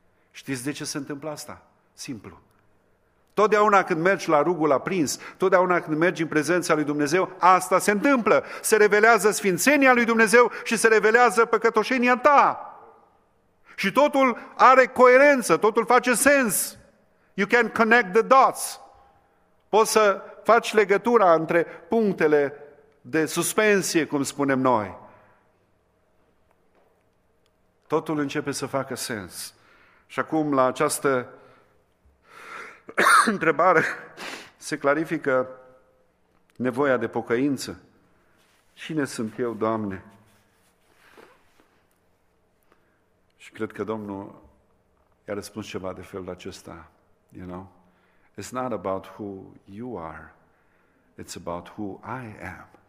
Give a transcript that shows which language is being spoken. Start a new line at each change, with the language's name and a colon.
Romanian: Știți de ce se întâmplă asta? Simplu. Totdeauna când mergi la rugul aprins, totdeauna când mergi în prezența lui Dumnezeu, asta se întâmplă. Se revelează sfințenia lui Dumnezeu și se revelează păcătoșenia ta. Și totul are coerență, totul face sens.
English: You can connect the dots.
Romanian: Poți să faci legătura între punctele de suspensie, cum spunem noi. Totul începe să facă sens. Și acum la această întrebare se clarifică nevoia de pocăință. Cine sunt eu, Doamne? Și cred că Domnul i-a răspuns ceva de felul acesta.
English: You know? It's not about who you are, it's about who I am.